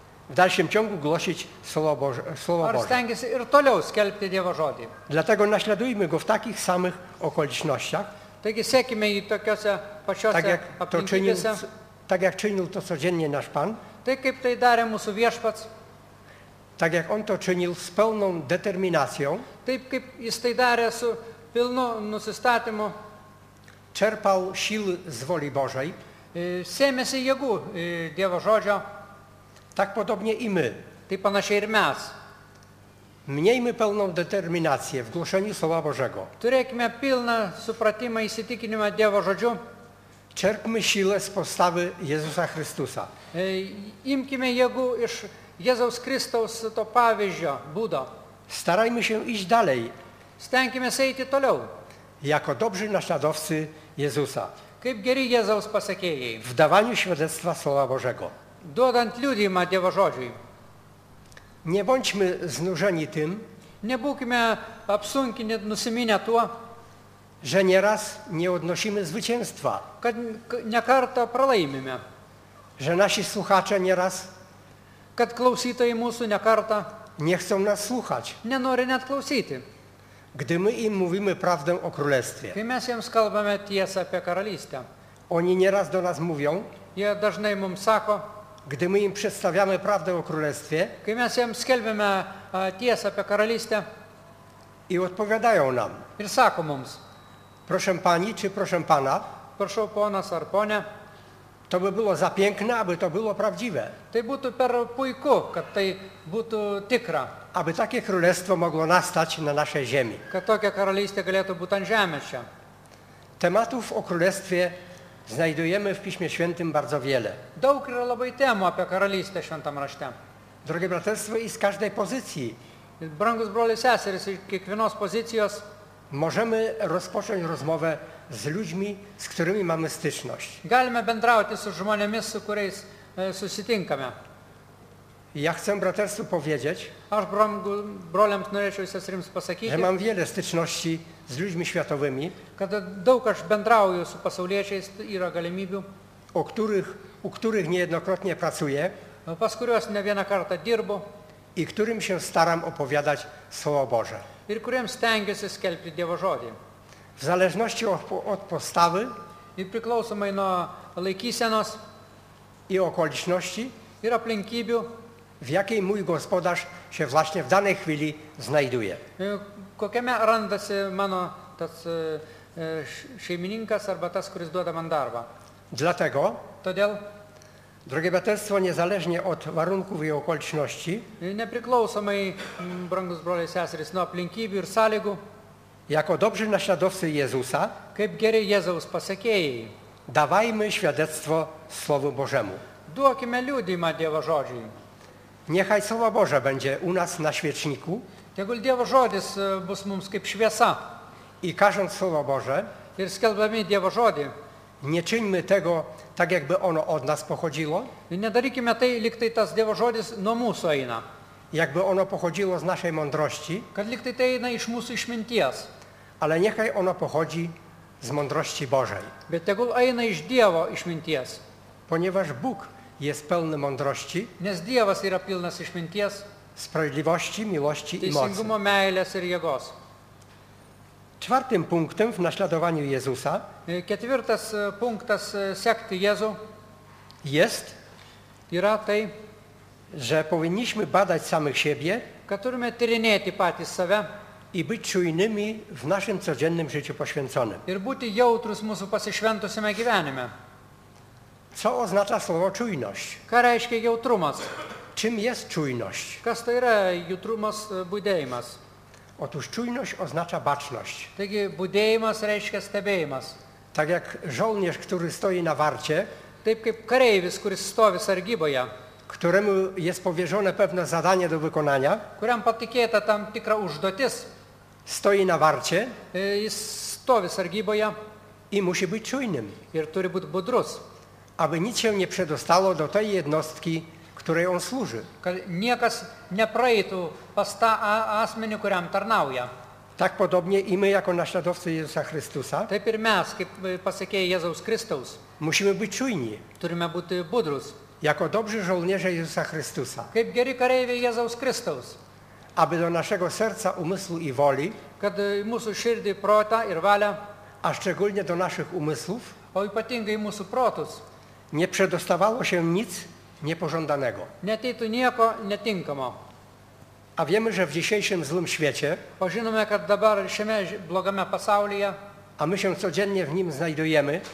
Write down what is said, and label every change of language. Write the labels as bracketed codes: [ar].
[pl] W dalszym ciągu głosić Słowo Boże. [lt] Ar stengiasi ir toliau skelbti Dievo žodį? [pl] Dlatego naśladujmy go w takich samych okolicznościach. [lt] Taigi sekime jį tokiose pačiose aplinkybėse. [pl] Tak jak czynił to codziennie nasz Pan. [lt] Tai kaip tai darė mūsų viešpats. [pl] Tak jak on to czynił z pełną determinacją. [lt] Taip kaip jis tai darė su pilnu nusistatymu. [pl] Czerpał sił z woli Bożej. [lt] Sėmėsi jėgų Dievo žodžio. [pl] Tak podobnie i my. [lt] Taip panašiai ir mes. [pl] Miejmy pełną determinację w głoszeniu Słowa Bożego. [lt] Turėkime pilną supratimą įsitikinimą Dievo žodžiu. [pl] Czerpmy siłę z postawy Jezusa Chrystusa. [lt] Imkime jėgų iš Jėzaus Kristaus to pavyzdžio būdo. [pl] Starajmy się iść dalej. [lt] Stenkime eiti toliau. [pl] Jako dobrzy naśladowcy Jezusa. [lt] Kaip geri Jėzaus pasekėjai. [pl] W dawaniu świadectwa Słowa Bożego. [lt] Duodant liudijimą Dievo žodžiui. [pl] Nie bądźmy znużeni tym. [lt] Nie būkime apsunkinę, nusiminę tuo. [pl] Że nieraz nie odnosimy zwycięstwa. [lt] Kad ne kartą pralaimime. [pl] Że nasi słuchacze nieraz. [lt] Kad klausytojai mūsų ne kartą. [pl] Nie chcą nas słuchać. [lt] Nie nori net klausyti. [pl] Gdy my im mówimy prawdę o królestwie. [lt] Kai mes jiems kalbame tiesą apie karalystę. [pl] Oni nieraz do nas mówią. [lt] Jie dažnai mums sako. [pl] Gdy my im przedstawiamy prawdę o królestwie. [lt] Kai mes jiems skelbime tiesą apie karalystę. [pl] I odpowiadają nam. [lt] Ir sako mums. [pl] Proszę Pani, czy proszę Pana. Proszę [lt] ponas ar ponia. [pl] To by było za piękne, aby to było prawdziwe. [lt] Tai būtų per puiku, kad tai būtų tikra. [pl] Aby takie królestwo mogło nastać na naszej ziemi. [lt] Kad tokia karalystė galėtų būt ant žemės čia. [pl] Tematów o królestwie znajdujemy w Piśmie Świętym bardzo wiele. [lt] Daug yra labai temų apie karalystę šventam rašte. [pl] Drogie braterstwo, i z każdej pozycji. [lt] Brangus broli seseris, iš kiekvienos pozicijos. [pl] Możemy rozpocząć rozmowę z ludźmi, z którymi mamy styczność. [lt] Galime bendrauti su žmonėmis, su kuriais susitinkame. [pl] Ja chcę braterstwu powiedzieć, [lt] aš broliams norėčiau seserims pasakyti, [pl] że mam wiele styczności z ludźmi światowymi, [lt] kad daug aš bendrauju su pasauliečiais, yra galimybių, [pl] u których niejednokrotnie pracuję, [lt] pas kuriuos ne vieną kartą dirbu, [pl] i którym się staram opowiadać Słowo Boże. [lt] Ir kuriems stengiuosi skelbti Dievo žodį. [pl] W zależności od postawy [lt] i priklausomai nuo laikysenos [pl] i okoliczności [lt] ir aplinkybių, [pl] w jakiej mój gospodarz się właśnie w danej chwili znajduje. [lt] Kokiame randasi mano tas šeimininkas arba tas, kuris duoda man darbą. [pl] Dlatego, [lt] todėl, [pl] drogie braterstwo, niezależnie od warunków i okoliczności, [lt] nepriklausomai, brangus broliai seserys, nuo aplinkybių ir sąlygų, [pl] jako dobrzy naśladowcy Jezusa, [lt] kaip geri Jėzaus pasekėjai, [pl] dawajmy świadectwo Słowu Bożemu. [lt] Duokime liudijimą Dievo žodžiui. [pl] Niechaj Słowo Boże będzie u nas na świeczniku. [lt] Tegul Dievo žodis bus mums kaip šviesa. [pl] I każąc Słowo Boże, [lt] ir skelbami Dievo žodį, [pl] nie czyńmy tego tak, jakby ono od nas pochodziło. [lt] Nie darykime tai, lyg tai tas Dievo žodis nuo mūsų eina. [pl] Jakby ono pochodziło z naszej mądrości. [lt] Kad lyg tai eina iš mūsų išminties. [pl] Ale niechaj ono pochodzi z mądrości Bożej. [lt] Bet tegul eina iš Dievo išminties. [pl] Ponieważ Bóg jest pełny mądrości. [lt] Nes Dievas yra pilnas išminties. [pl] Sprawiedliwości, miłości i mocy. [lt] Teisingumo, meilės ir jėgos. [pl] Czwartym punktem w naśladowaniu Jezusa. [lt] Ketvirtas punktas sekti Jezu. [pl] Jest. [lt] Yra tai. [pl] Że powinniśmy badać samych siebie. [lt] Kad turime tyrinėti patys save. [pl] I być czujnymi w naszym codziennym życiu poświęconym. [lt] Ir būti jautrus mūsų pasišventusime gyvenime. [pl] Co oznacza słowo czujność? [lt] Ką reiškia jautrumas? [pl] Czym jest czujność? [lt] Kas tai yra jautrumas, budėjimas? [pl] Otóż czujność oznacza baczność. [lt] Taigi budėjimas reiškia stebėjimas. [pl] Tak jak żołnierz, który stoi na warcie, [lt] taip kaip kareivis, kuris stovi sargyboje, [pl] któremu jest powierzone pewne zadanie do wykonania, [lt] kuriam patikėta tam tikra užduotis, [pl] stoi na warcie, [lt] jis stovi sargyboje, [pl] i musi być czujnym. [lt] Ir turi būti budrus. [pl] Aby nic się nie przedostało do tej jednostki, której on służy. [lt] Niekas nie praeitų pas tą asmenį, kuriam tarnauja. [pl] Tak podobnie i my jako naśladowcy Jezusa Chrystusa. [lt] Taip ir mes, kaip pasakė Jėzaus Kristaus. [pl] Musimy być czujni. [lt] Turime būti budrus. [pl] Jako dobrzy żołnierze Jezusa Chrystusa. [lt] Kaip geri kareiviai Jėzaus Kristaus. [pl] Aby do naszego serca, umysłu i woli. [lt] Kad mūsų širdį, protą ir valią. [pl] A szczególnie do naszych umysłów. [lt] O ypatingai mūsų protus. [pl] Nie przedostawało się nic niepożądanego. [lt] Neteitų nieko netinkamo. [pl] A wiemy, że w dzisiejszym złym świecie, [lt] o žinome, kad dabar šiame blogame pasaulyje, [pl] a my się codziennie w nim znajdujemy,